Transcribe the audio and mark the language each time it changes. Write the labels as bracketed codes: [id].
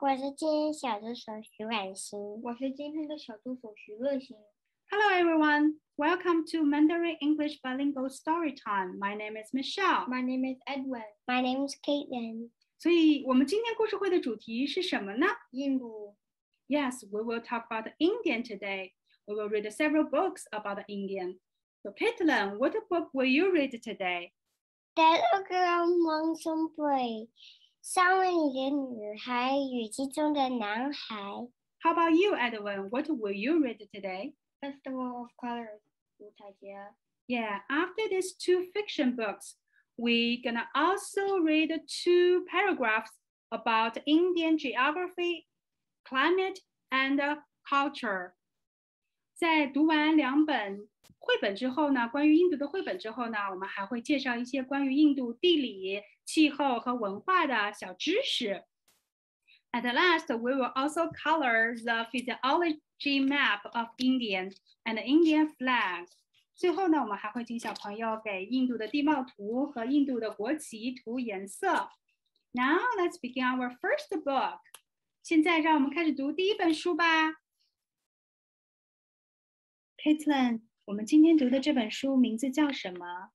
[zh] 我是今天小助手徐婉欣，我是今天的小助手徐乐欣。 [en] Hello everyone, welcome to Mandarin English Bilingual Storytime. My name is Michelle. My name is Edwin. My name is Katelyn. [zh] 所以我们今天故事会的主题是什么呢？印度。 [en] Yes, we will talk about the Indian today. We will read several books about the Indian. So Katelyn, what book will you read today? [zh] The Little Girl Monsoon Boy, 森林里的女孩，雨季中的男孩。 [en] How about you, Edwin? What will you read today? [zh] Festival of Colors, 舞台节。 [en] Yeah, after these two fiction books, we're gonna also read two paragraphs about Indian geography, climate, and culture. [zh] 在读完两本绘本之后呢，关于印度的绘本之后呢，我们还会介绍一些关于印度地理、气候和文化的小知识。 [en] At last, we will also color the physiology map of India and the Indian flag. [zh] 最后呢，我们还会请小朋友给印度的地貌图和印度的国旗涂颜色。 [en] Now, let's begin our first book. [zh] 现在让我们开始读第一本书吧。 Katelyn,我们今天读的这本书名字叫什么？